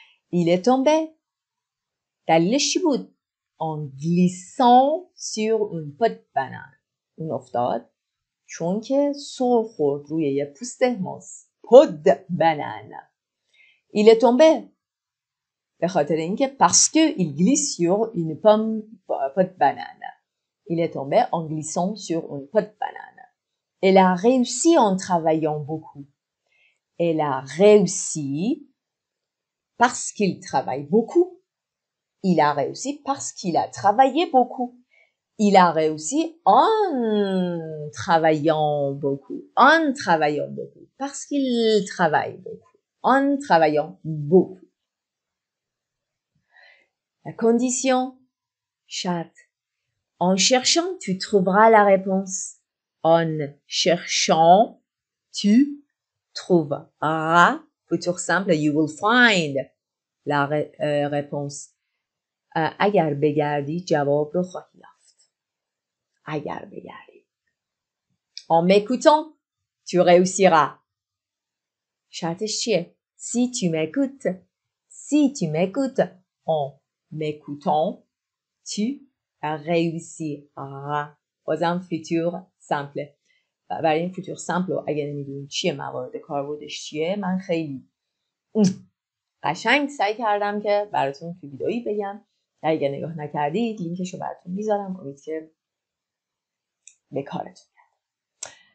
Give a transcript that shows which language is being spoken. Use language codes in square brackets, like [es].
[fr] Il est tombé. [fa] دلیلش چی بود؟ [fr] en glissant sur une peau de banane. [fa] اون افتاد چون که سر خورد روی یه پوست ماس. [fr] peau de banane. Il est tombé. [fa] به خاطر اینکه [fr] parce que il glisse sur une peau de banane. Il est tombé en glissant sur une peau de banane. Elle a réussi en travaillant beaucoup. Elle a réussi parce qu'il travaille beaucoup. Il a réussi parce qu'il a travaillé beaucoup. Il a réussi en travaillant beaucoup. En travaillant beaucoup. Parce qu'il travaille beaucoup. En travaillant beaucoup. La condition. Chat. En cherchant, tu trouveras la réponse. En cherchant, tu trouveras. Futur simple, [en] you will find [fr] la réponse. [fa] اگر بگردی جواب رو خواهی یافت. اگر بگردی. [fr] En m'écoutant, tu réussiras. [fa] شرطش چیه؟ [fr] Si tu m'écoutes. Si tu m'écoutes. En m'écoutant, tu réussiras. [fa] بازم فیتور سمپله. برای این فیتور سمپلو اگر نمیدونی چیه موارد کاربردش چیه من خیلی قشنگ سعی کردم که براتون تو ویدئویی بگم. اگه نگاه نکردید لینکش رو براتون میذارم امید که به کارتون بیاد.